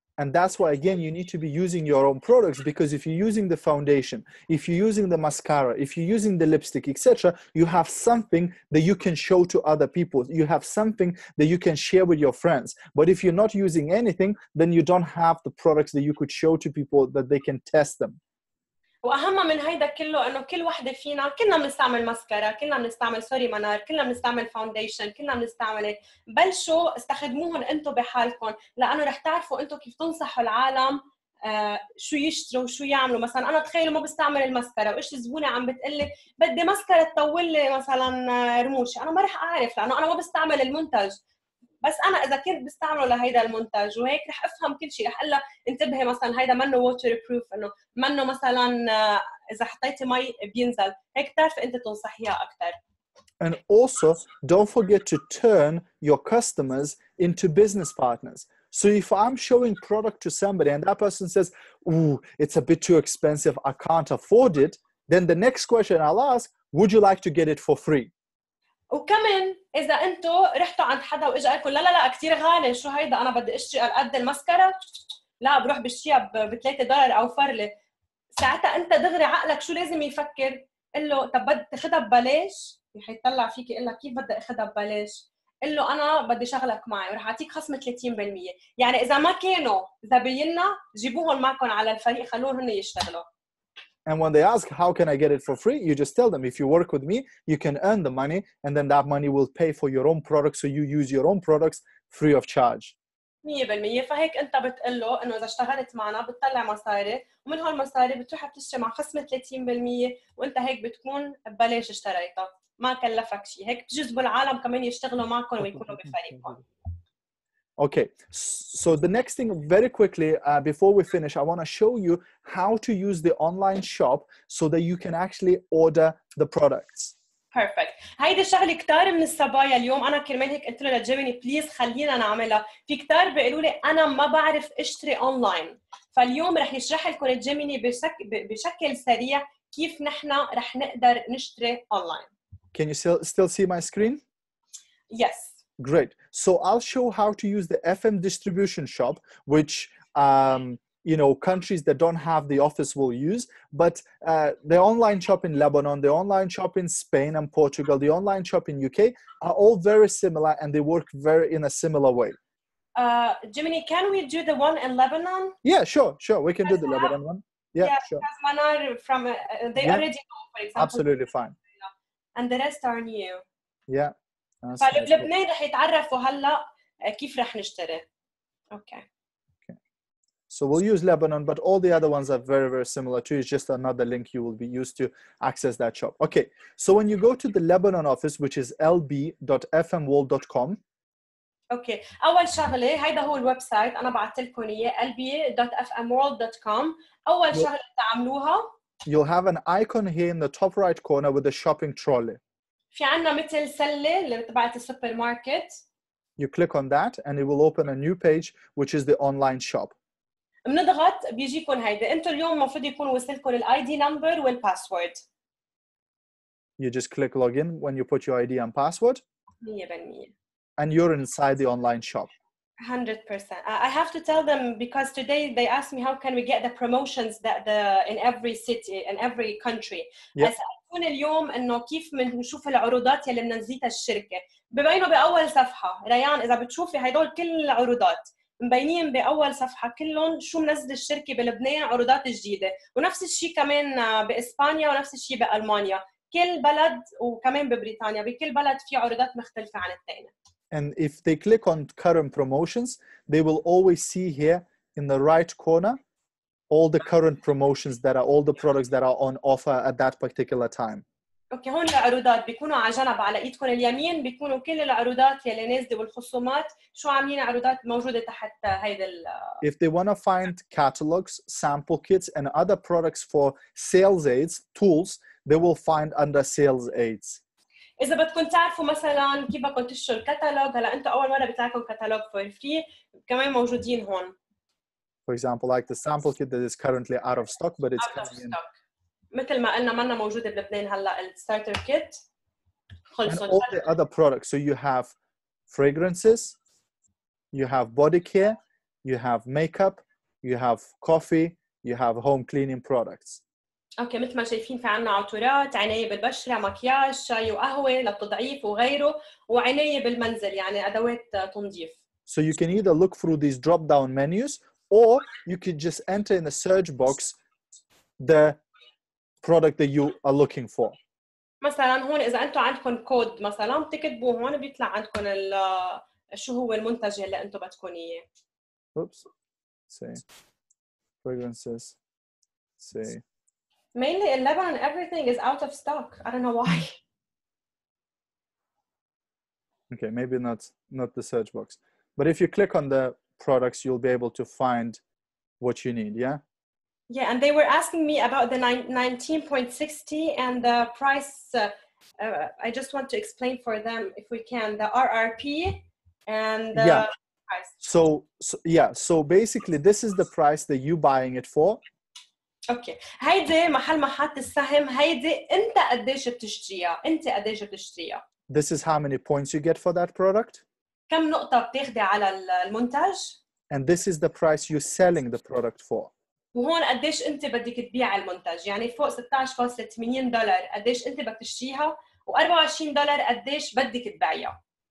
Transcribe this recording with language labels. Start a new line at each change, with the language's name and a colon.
English: And that's why again you need to be using your own products because if you're using the foundation, if you're using the mascara, if you're using the lipstick, etc., you have something that you can show to other people. You have something that you can share with your friends. But if you're not using anything, then you don't have the products that you could show to people that they can test them.
Arabic: واهم من هيدا كله انه كل وحده فينا كلنا بنستعمل ماسكاره كلنا بنستعمل سوري منار كلنا بنستعمل فاونديشن كلنا بنستعمل بلشوا استخدموهم انتم بحالكم لانه رح تعرفوا انتم كيف تنصحوا العالم شو يشتروا وشو يعملوا مثلا انا تخيلوا ما بستعمل الماسكاره وايش زبونه عم بتقلي بدي ماسكاره تطول لي مثلا رموش انا ما رح اعرف لانه انا ما بستعمل المنتج بس انا اذا كنت بستعمله لهيدا المنتج وهيك رح افهم كل شيء رح اقول له انتبهي مثلا هيدا منه ووتر بروف انه منه مثلا اذا حطيتي مي بينزل هيك بتعرف انت تنصحيها اكثر.
English: And also don't forget to turn your customers into business partners. So if I'm showing product to somebody and that person says, "Ooh, it's a bit too expensive, I can't afford it," then the next question I'll ask, "Would you like to get it for free?"
Arabic: وكمان إذا أنتوا رحتوا عند حدا وإجا قالكم لا لا لا كتير غالي شو هيدا أنا بدي أشتري قد المسكرة لا بروح بشتريها $3 أو فرلة ساعتها أنت دغري عقلك شو لازم يفكر قل له طب بدي تخدها ببلاش حيطلع فيك يقول لك كيف بدي أخدها ببلاش قل له أنا بدي شغلك معي ورح أعطيك خصم 30% يعني إذا ما كانوا زبيننا جيبوهم معكم على الفريق خلوهم يشتغلوا.
English: And when they ask, how can I get it for free? You just tell them, if you work with me, you can earn the money, and then that money will pay for your own products, so you use your own products free of charge. 100%.
Arabic: فهيك انت بتقول له انه اذا اشتغلت معنا بتطلع مصاري ومن هالمصاري بتروح بتشتري مع خصم 30% وانت هيك بتكون ببلاش اشتريتها ما كلفك شيء هيك بتجذب العالم كمان يشتغلوا معكم ويكونوا بفريقكم.
English: Okay, so the next thing, very quickly, before we finish, I want to show you how to use the online shop so that you can actually order the products. Perfect.
Arabic: هيدا شغلة كتار من الصبايا اليوم أنا كرمال هيك قلت له لجيميني بليز خلينا نعملها في كتار بيقولوا لي أنا ما بعرف اشتري أونلاين فاليوم رح يشرح لكم الجيميني بشكل سريع كيف نحن رح نقدر نشتري أونلاين.
English: Can you still see my screen? Yes. Great. So I'll show how to use the FM distribution shop, which, you know, countries that don't have the office will use. But the online shop in Lebanon, the online shop in Spain and Portugal, the online shop in UK are all very similar and they work very in a similar way. Jiminy, can we do the one in Lebanon? Yeah, sure, sure. We can do the Lebanon one. Yeah, sure. Because Manar from, they yeah. already know, for example. Absolutely fine. And the rest are new. Yeah.
Arabic: فلبنان رح يتعرفوا هلأ كيف رح نشتري. Okay.
English: Okay. So we'll use Lebanon, but all the other ones are very, very similar to. It's just another link you will be used to access that shop. Okay. So when you go to the Lebanon office, which is lb.fmworld.com. Okay.
Arabic: أول شغلة هيدا هو الويبسايت أنا بعتلكن إياه lb.fmworld.com. أول شغلة تعملوها.
English: You'll have an icon here in the top right corner with a shopping trolley.
Arabic: في عنا مثل سلة اللي تبعت السوبر ماركت.
English: You click on that and it will open a new page, which is the online shop.
Arabic: بنضغط بيجيكم هيدا. انتو اليوم مفروض يكون وصلكم الID number والpassword.
English: You just click login when you put your ID and password. 100%. And you're inside the online shop. 100%. I have to tell them because today they asked me how can we get the promotions that the in every city, in every country. Yep.
Arabic: سألتون اليوم انه كيف منشوف العروضات يلي منزيتها الشركة. ببينوا بأول صفحة. ريان إذا بتشوفي هيدول كل العروضات. مبينين بأول صفحة كلهم شو منزل الشركة بلبنان عروضات جديدة ونفس الشيء كمان بإسبانيا ونفس الشيء بألمانيا كل بلد وكمان ببريطانيا بكل بلد في عروضات مختلفة عن الثاني.
English: And if they click on current promotions, they will always see here in the right corner all the current promotions that are all the products that are on offer at that particular time.
Arabic: اوكي هون العروضات بيكونوا على جنب على ايدكم اليمين بيكونوا كل العروضات يلي نازله والخصومات شو عاملين عروضات موجوده تحت هيدا ال
English: If they want to find catalogs, sample kits and other products for sales aids tools, they will find under sales aids.
Arabic: اذا بدكم تعرفوا مثلا كيف بدكم تشتروا الكتالوج هلا انتم اول مره بتلاقوا كتالوج فور فري كمان موجودين هون.
English: For example, like the sample kit that is currently out of stock but it's coming in.
Arabic: مثل ما قلنا منا موجودة بلبنان هلأ الستارتر كيت خلصوا
English: and all the other products. So you have fragrances, you have body care, you have makeup, you have coffee, you have home cleaning products.
Arabic: Okay, مثل ما شايفين في عنا عطورات عناية بالبشرة مكياج شاي وقهوة للتضعيف وغيره وعناية بالمنزل يعني أدوات تنظيف.
English: So you can either look through these drop down menus or you could just enter in the search box the product that you are looking for.
Arabic: مثلا هون اذا انتم عندكم كود مثلا بتكتبوا هون بيطلع عندكم شو هو المنتج اللي انتم بدكم اياه.
English: Oops. Say. Fragrances. Say. Mainly in Lebanon everything is out of stock. I don't know why. Okay, maybe not the search box. But if you click on the products you'll be able to find what you need, yeah? Yeah, and they were asking me about the 19.60 and the price. I just want to explain for them, if we can, the RRP and the yeah. price. So basically, this is the price that you're buying it for.
Arabic: Okay. هيدي محل ما حط السهم هيدي انت قديش بتشتريها انت قديش بتشتريها.
English: This is how many points you get for that product.
Arabic: كم نقطة بتاخدي على المنتج.
English: And this is the price you're selling the product for.
Arabic: وهون قديش انت بدك تبيع المنتج يعني فوق 16.80 دولار قديش انت بدك تشتريها و24 دولار قديش بدك تبيعها.